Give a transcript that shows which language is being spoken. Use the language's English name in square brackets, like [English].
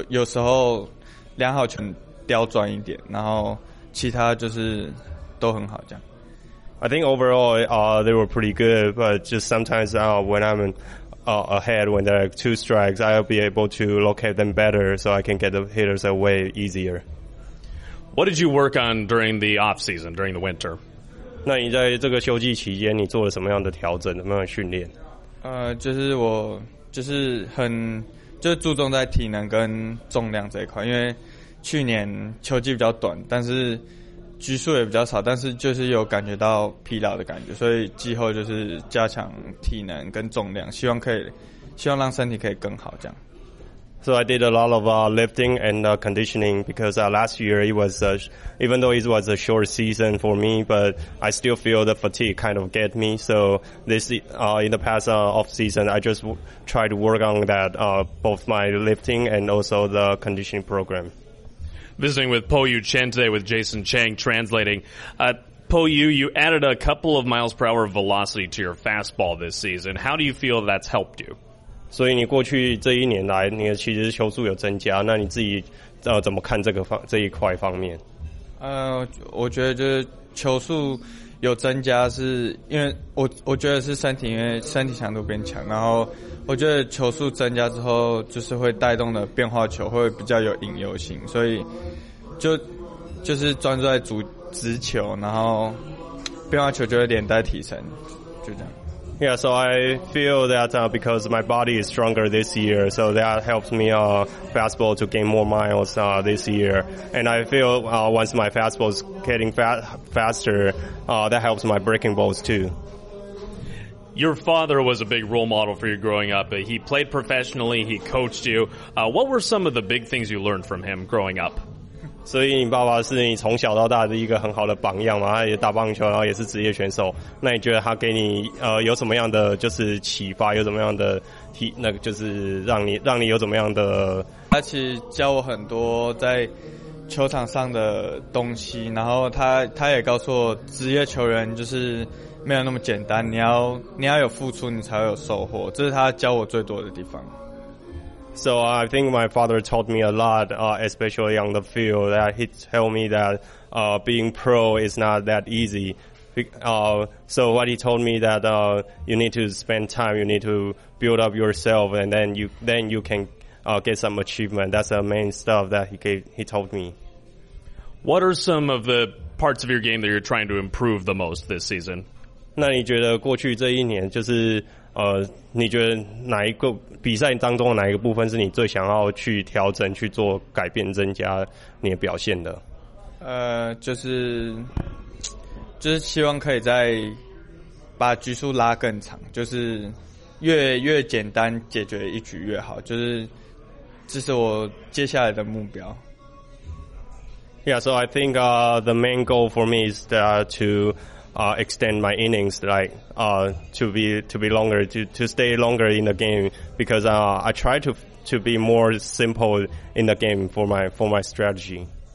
[Chinese] 我觉得就是表现不错，但我觉得可以有时候量好球。 [English] I think overall they were pretty good, but just sometimes when I'm ahead when there are two strikes, I'll be able to locate them better so I can get the hitters away easier. What did you work on during the off season, during the winter? [Chinese] 那你在这个休季期间，你做了什么样的调整？什么样的训练？就是我就是很就注重在体能跟重量这一块，因为去年秋季比较短，但是局数也比较少，但是就是有感觉到疲劳的感觉，所以季后就是加强体能跟重量，希望让身体可以更好这样。 [English] So I did a lot of lifting and conditioning because last year it was, even though it was a short season for me, but I still feel the fatigue kind of get me. So this, in the past off season, I just try to work on that, both my lifting and also the conditioning program. Visiting with Po Yu Chen today with Jason Chang translating. Po Yu, you added a couple of miles per hour velocity to your fastball this season. How do you feel that's helped you? [Chinese] 所以你过去这一年来，你其实球速有增加。那你自己怎么看这一块方面？我觉得就是球速有增加，是因为我觉得是身体，因为身体强度变强。然后我觉得球速增加之后，就是会带动的变化球会比较有引诱性，所以就是专注在直球，然后变化球就会连带提升，就这样。 [English] Yeah, so I feel that because my body is stronger this year, so that helps me fastball to gain more miles this year. And I feel once my fastball is getting faster, that helps my breaking balls too. Your father was a big role model for you growing up. He played professionally, he coached you. What were some of the big things you learned from him growing up? [Chinese] 所以你爸爸是你从小到大的一个很好的榜样嘛，他也打棒球，然后也是职业选手。那你觉得他给你有什么样的就是启发，有什么样的那个就是让你有怎么样的？他其实教我很多在球场上的东西，然后他也告诉我，职业球员就是没有那么简单，你要有付出，你才会有收获。这是他教我最多的地方。 [English] So I think my father taught me a lot, especially on the field, that he told me that being pro is not that easy. So what he told me that you need to spend time, you need to build up yourself, and then you can get some achievement. That's the main stuff that he told me. What are some of the parts of your game that you're trying to improve the most this season? [Chinese] 那你觉得过去这一年就是你觉得哪一个比赛当中的哪一个部分是你最想要去调整、去做改变、增加你的表现的？就是希望可以再把局数拉更长，就是越简单解决一局越好，这是我接下来的目标。 [English] Yeah, so I think the main goal for me is to extend my innings, like to be longer, to stay longer in the game, because I try to be more simple in the game for my strategy.